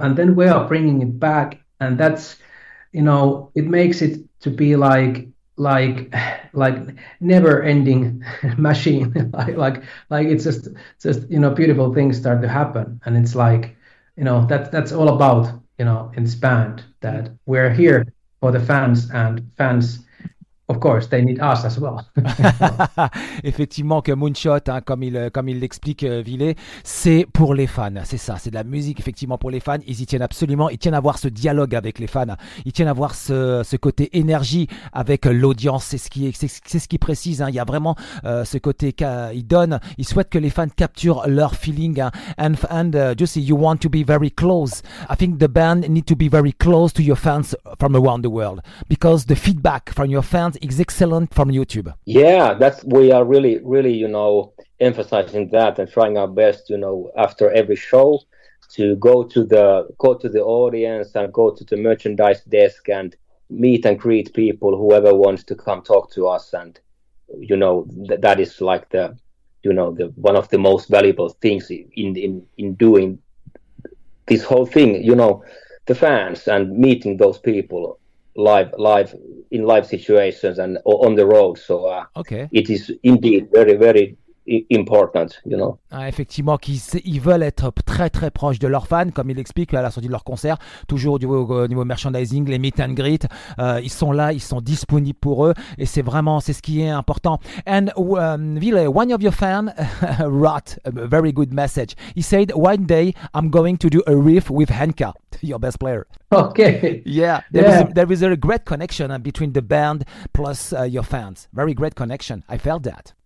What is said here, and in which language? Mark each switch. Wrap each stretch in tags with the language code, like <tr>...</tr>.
<en>And then we are bringing it back, and that's, you know, it makes it to be like never ending machine. like it's just you know, beautiful things start to happen, and it's like, you know, that's all about, you know, in this band, that we're here for the fans, and fans, of course, they need us as well.</en> <fr>Effectivement, que Moonshot, hein, comme il l'explique, Villet, c'est pour les fans. C'est ça, c'est de la musique effectivement pour les fans. Ils y tiennent absolument. Ils tiennent à voir ce dialogue avec les fans. Ils tiennent à voir ce côté énergie avec l'audience. C'est ce qui précise. Hein. Il y a vraiment ce côté qu'ils donnent. Ils souhaitent que les fans capturent leur feeling. Hein.</fr> <en>And Juicy, you want to be very close. I think the band need to be very close to your fans from around the world, because the feedback from your fans is excellent from YouTube. Yeah, that's, we are really, really, you know, emphasizing that and trying our best, you know, after every show to go to the audience and go to the merchandise desk and meet and greet people, whoever wants to come talk to us. And, you know, that is like the, you know, the one of the most valuable things in doing this whole thing, you know, the fans and meeting those people live in live situations and on the road. So okay, it is indeed very, very important, you know.</en> <fr>Ah, effectivement, qu'ils veulent être très très proches de leurs fans, comme il explique à la sortie de leur concert, toujours au niveau merchandising, les meet and greet, ils sont là, ils sont disponibles pour eux, et c'est vraiment ce qui est important.</fr> <en>And Ville, one of your fans wrote a very good message. He said, one day I'm going to do a riff with Henka, your best player. Okay. Yeah. There is a great connection between the band plus your fans. Very great connection. I felt that.</en>